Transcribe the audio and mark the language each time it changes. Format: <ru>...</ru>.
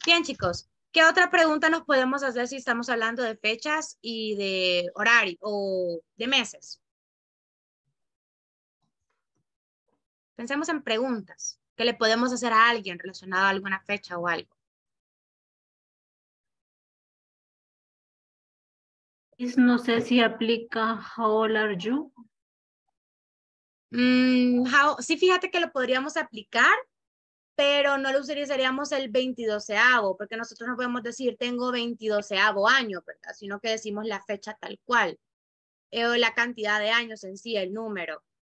<es>Bien, chicos, ¿qué otra pregunta nos podemos hacer si estamos hablando de fechas y de horario o de meses? Pensemos en preguntas que le podemos hacer a alguien relacionado a alguna fecha o algo. No sé si aplica</es> <en>how old are you.</en> <es>Sí, fíjate que lo podríamos aplicar, pero no lo usaríamos el 22avo, porque nosotros no podemos decir tengo 22avo año, ¿verdad? Sino que decimos la fecha tal cual, o la cantidad de años en sí, el número.</es>